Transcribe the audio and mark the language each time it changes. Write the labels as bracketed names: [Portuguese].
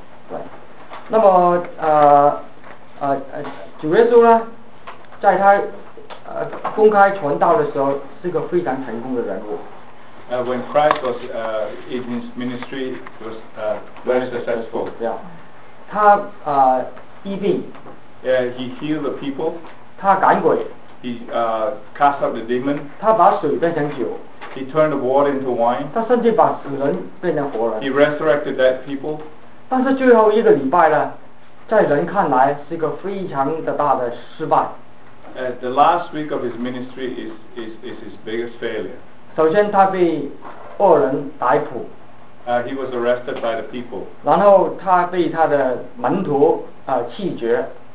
[Chinese] 对，那么主耶稣呢，在他公开传道的时候，是个非常成功的人物。 [English] when Christ was in his ministry, it was very successful. [Chinese] Yeah. 他医病。 [English] He healed the people. [Chinese] 他赶鬼。 [English] He cast out the demon. [Chinese] 他把水变成酒。 [English] He turned the water into wine. [Chinese] 他甚至把死人变成活人。 [English] He resurrected dead people. [Chinese] 但是最后一个礼拜呢，在人看来是一个非常的大的失败。 [English] The last week of his ministry is his biggest failure. [Chinese] 首先他被恶人逮捕。 [English] He was arrested by the people. [Chinese] 然后他被他的门徒弃绝。